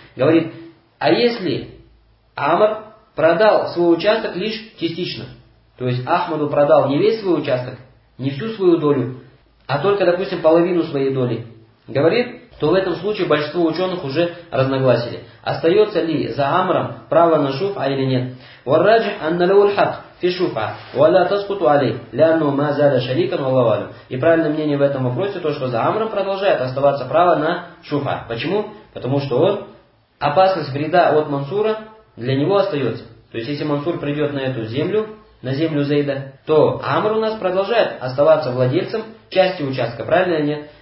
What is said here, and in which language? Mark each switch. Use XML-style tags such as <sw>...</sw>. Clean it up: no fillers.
<ru>Говорит, а если Амр продал свой участок лишь частично, то есть Ахмаду продал не весь свой участок, не всю свою долю, а только, допустим, половину своей доли, говорит, то в этом случае большинство ученых уже разногласили. Остается ли за Амром право на шуф, а или нет? Варраджих анналяуль хак.</ru> <ar>في الشفعة ولا تسقط عليه لأنه ما زال شريكا والله أعلم.</ar> <ru>И правильное мнение в этом вопросе то, что за Амром продолжает оставаться право на шуфа. Почему? Потому что он опасность вреда от Мансура для него остается. То есть если Мансур придет на эту землю, на землю Зейда, то Амр у нас продолжает оставаться владельцем части участка, правильно или нет?</ru>